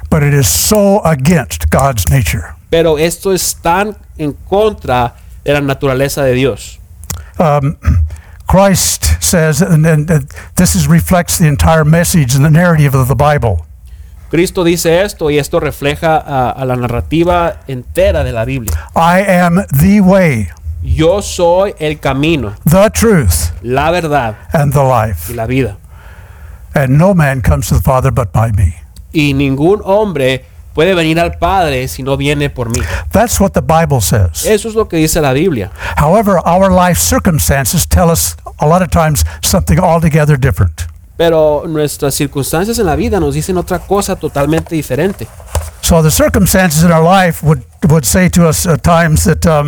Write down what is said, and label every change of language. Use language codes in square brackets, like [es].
[en] But it is so against God's nature. [es] Pero esto es tan en contra de la naturaleza de Dios. [en] Christ says, and this is reflects the entire message and the narrative of the Bible. [es] Cristo dice esto y esto refleja a la narrativa entera de la Biblia. [en] I am the way. [es] Yo soy el camino. [en] The truth. [es] La verdad. [en] And the life. [es] Y la vida. [en] And no man comes to the Father but by me. [es] Y ningún hombre puede venir al Padre si no viene por mí. [en] That's what the Bible says. [es] Eso es lo que dice la Biblia. [en] However, our life circumstances tell us a lot of times something altogether different. [es] Pero nuestras circunstancias en la vida nos dicen otra cosa totalmente diferente. [en] So the circumstances in our life would say to us at times that